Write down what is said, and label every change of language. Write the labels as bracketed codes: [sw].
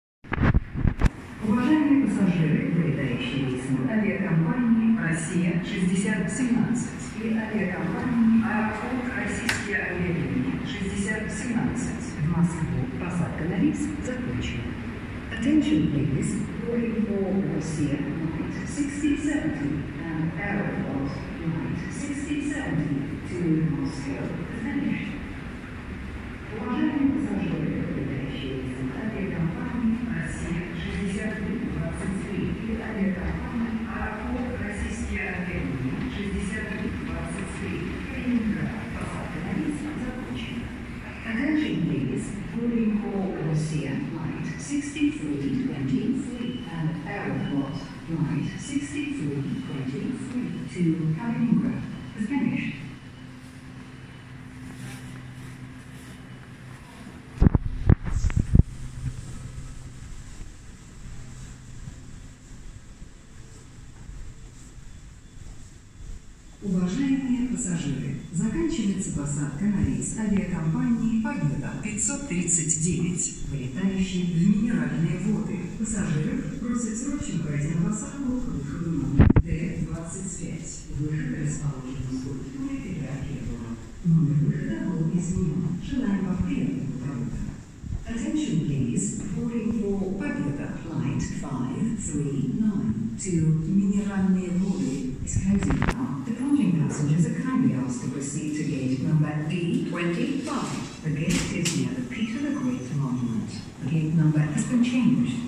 [ru] пассажиры, вылетающие рейсом авиакомпании «Россия 6017» и авиакомпании «Аэрофлот Российские авиалинии 6017» в Москву. Посадка на рейс закончена. [en] Attention, please. Boarding for «Россия» flight 6070 and «Аэрофлот» flight 6070 to Moscow. [ru] Уважаемые пассажиры, вылетающие рейсом авиакомпании «Россия 6023» и авиакомпании «Аэрофлот Российские авиалинии 6023» Калининград. Посадка на рейс закончена. [en] Attention, please. Boarding for «Россия» flight 6323 and «Аэрофлот» flight 6323 to Калининград. Spanish. [ru] Уважаемые пассажиры, заканчивается посадка на рейс авиакомпании «Победа» 539, вылетающий в Минеральные воды. Пассажиров просят срочно пройти на посадку к выходу номер Д-25. Выход расположен в скульптуре Петра Первого. Номер выхода был изменен. Желаем вам приятного полета. [en] Attention, please. Boarding for «Победа» flight 539 to Минеральные воды. Excuse me. Passengers are kindly asked to proceed to gate number D25. The gate is near the Peter the Great Monument. The gate number has been changed.